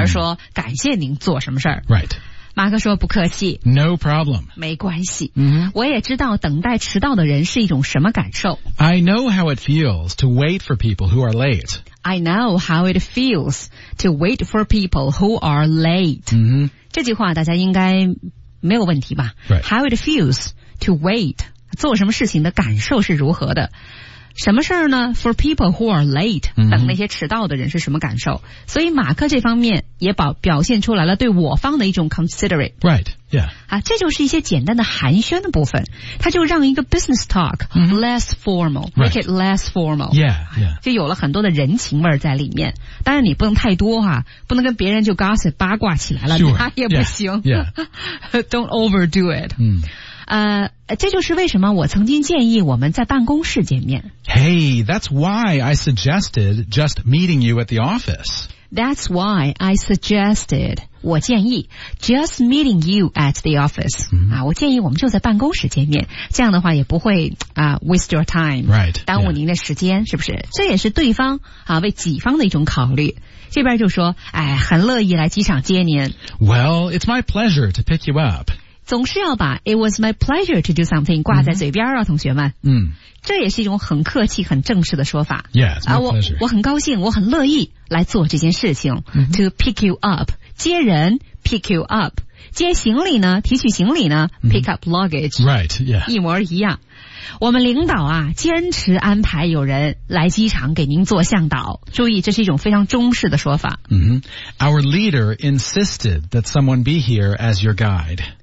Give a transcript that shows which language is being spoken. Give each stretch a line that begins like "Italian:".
Chinese: 而说感谢您做什么事儿
English: Right.
Chinese: 马克说不客气
English: No problem
Chinese: 没关系、 mm-hmm. 我也知道等待迟到的人是一种什么感受
English: I know how it feels to wait for people who are late I know how it feels to wait for people who are late、 mm-hmm.
Chinese: 这句话大家应该没有问题吧、
English: right. How it feels to wait
Chinese: 做什么事情的感受是如何的什么事儿呢
English: ？For people who are late，、嗯、
Chinese: 等那些迟到的人是什么感受？所以马克这方面也表现出来了对我方的一种 considerate。
English: Right, yeah。
Chinese: 啊，这就是一些简单的寒暄的部分，他就让一个 business talk、嗯、
English: less formal, make it less formal。 Yeah, yeah。
Chinese: 就有了很多的人情味在里面，当然你不能太多哈、啊，不能跟别人就 gossip 八卦起来了，
English: sure,
Chinese: 那也不行。
English: Yeah, yeah. Don't overdo it。嗯。
Chinese: 这就是为什么我曾经建议我们在办公室见面。
English: Hey, that's why I suggested just meeting you at the office. That's why I suggested,
Chinese: 我建议
English: just meeting you at the office.、 Mm-hmm.
Chinese: 啊、我建议我们就在办公室见面，这样的话也不会、
English: waste your time, right,
Chinese: 耽误您的时间、
English: yeah.
Chinese: 是不是？这也是对方、啊、为己方的一种考虑。这边就说哎，很乐意来机场接您。
English: Well, it's my pleasure to pick you up.
Chinese: 总是要把
English: It was my pleasure to do something
Chinese: 挂在嘴边啊、嗯、同学们。嗯。这也是一种很客气很正式的说法。
English: Yes, my pleasure.
Chinese: 我很高兴我很乐意来做这件事情。 Mm-hmm.
English: To pick you up.
Chinese: 接人
English: pick you up.
Chinese: 接行李呢提取行李呢、
English: mm-hmm. pick up luggage. Right, yeah.
Chinese: 一模一样。我们领导啊坚持安排有人来机场给您做向导。注意这是一种非常中式的说法。 Mm-hmm.
English: Our leader insisted that someone be here as your guide.